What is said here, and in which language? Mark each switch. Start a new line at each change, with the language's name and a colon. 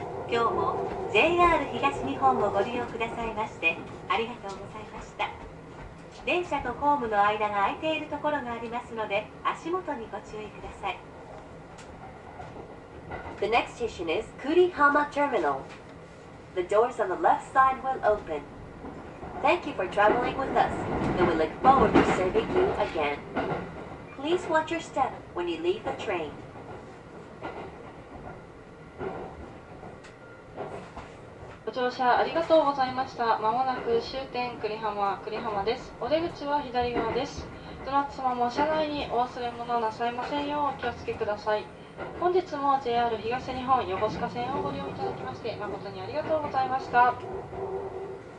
Japanese: 今日も JR 東日本をご利用くださいましてありがとうございました。電車とホームの間が空いているところがありますので足元にご注意ください。
English: The next station is 栗浜 Terminal. The doors on the left side will openThank you for traveling with us, and we look forward to serving you again. Please watch your step when you leave the train.
Japanese: ご乗車ありがとうございました。まもなく終点栗浜です。お出口は左側です。どなた様も車内にお忘れ物なさいませんようお気をつけください。本日も JR 東日本横須賀線をご利用いただきまして誠にありがとうございました。